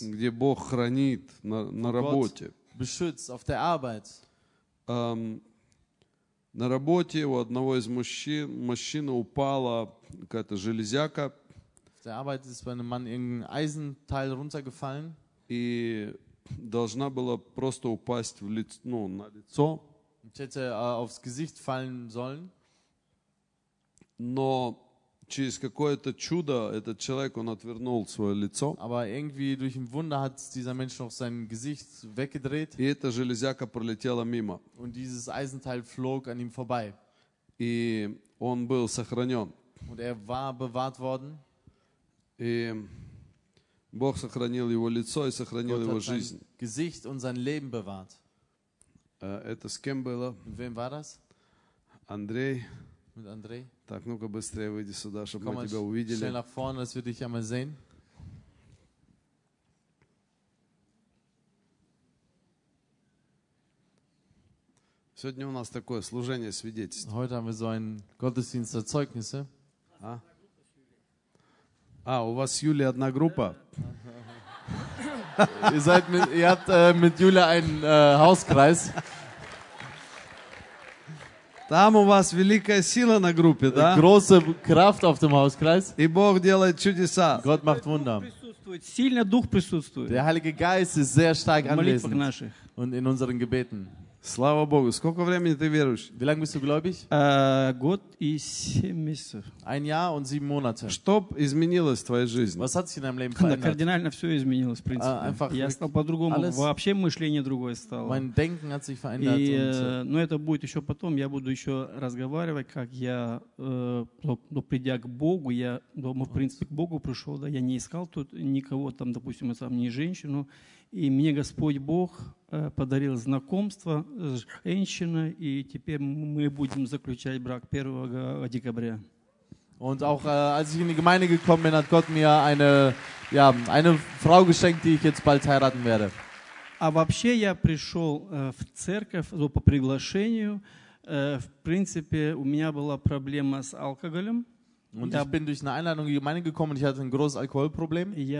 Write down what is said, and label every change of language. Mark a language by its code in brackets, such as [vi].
[ru] Где Бог хранит на работе. [de] Beschützt auf der Arbeit. [ru] На работе у одного из мужчин упала какая-то железяка. [de] Auf der Arbeit ist bei einem Mann irgendein Eisenteil runtergefallen. [ru] И должна была просто упасть в лицо, ну, на лицо. [de] Und hätte aufs Gesicht fallen sollen. [ru] Но через какое-то чудо этот человек он отвернул свое лицо. [de] Aber irgendwie durch ein Wunder hat dieser Mensch noch sein Gesicht weggedreht. [ru] И эта железяка пролетела мимо. [de] Und dieses Eisenteil flog an ihm vorbei. [ru] И он был сохранен. [de] Und er war bewahrt worden. [ru] И Бог сохранил его лицо и сохранил [de] Gott [ru] его жизнь. [de] Sein Gesicht und sein Leben bewahrt. [ru] Это с кем было? [de] Mit wem war das? [ru] Андрей. [de] Mit Andrei. [ru] Так, ну-ка быстрее выйди сюда, чтобы мы тебя увидели. [de] Schnell nach vorne, dass wir dich einmal sehen. [ru] Сегодня у нас такое служение свидетельств. [de] Heute haben wir so ein Gottesdienst der Zeugnisse. [ru] А, у вас с Юлей одна группа? [de] ihr habt mit Юлей Hauskreis. [ru] Там у вас великая сила на группе, да? [de] Große Kraft auf dem Hauskreis. [ru] И Бог делает чудеса. [de] Gott macht Wunder. [ru] Сильный дух присутствует. [de] Der Heilige Geist ist sehr stark anwesend. Und in unseren Gebeten. [ru] Слава Богу. Сколько времени ты веруешь? [de] Wie lange bist du gläubig? [ru] Год и 7 месяцев. [de] Ein Jahr und 7 Monate. [ru] Что изменилось в твоей жизни? [de] Was hat sich in deinem Leben verändert? [ru] Кардинально все изменилось, в принципе. Я стал по-другому. [de] Alles... [ru] Вообще мышление другое стало. [de] Mein Denken hat sich verändert. [ru] Но это будет еще потом. Я буду еще разговаривать, как я, придя к Богу, я, в принципе, к Богу пришел. Да, я не искал тут никого, там, допустим, сам не женщину. И мне Господь Бог подарил знакомство с женщиной, и теперь мы будем заключать брак 1 декабря. [de] Und auch als ich in die Gemeinde gekommen bin, hat Gott mir eine Frau geschenkt, die ich jetzt bald heiraten werde. [ru] А вообще я пришел в церковь по приглашению. В принципе, у меня была проблема с алкоголем. [de] Und ich bin durch eine Einladung in die Gemeinde gekommen, ich hatte ein großes Alkoholproblem.